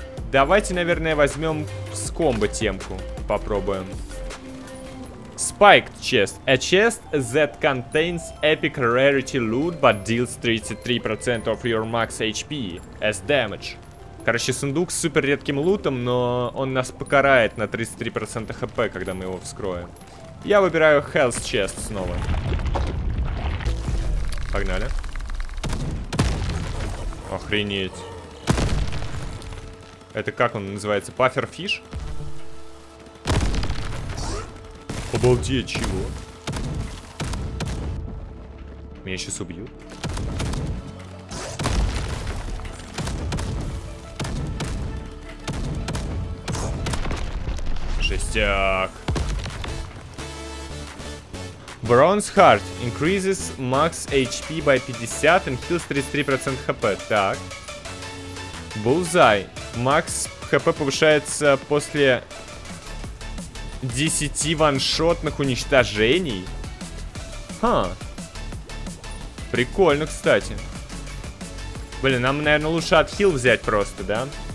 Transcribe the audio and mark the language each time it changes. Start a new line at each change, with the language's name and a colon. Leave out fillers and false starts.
Russian: Давайте, наверное, возьмем с комбо темку. Попробуем. Spiked chest.
English: A chest that contains epic rarity loot, but deals 33% of your max HP as damage.
Russian: Короче, сундук с супер редким лутом, но он нас покарает на 33% хп, когда мы его вскроем. Я выбираю health chest снова. Погнали. Охренеть. Это как он называется? Puffer fish? Обалдеть, чего? Меня сейчас убьют. Так.
English: Bronze Heart increases max HP by 50 and heals 33% HP.
Russian: Так. Bullseye. Max HP повышается после 10 ваншотных уничтожений. Ха. Прикольно, кстати. Блин, нам, наверное, лучше отхил взять просто, да?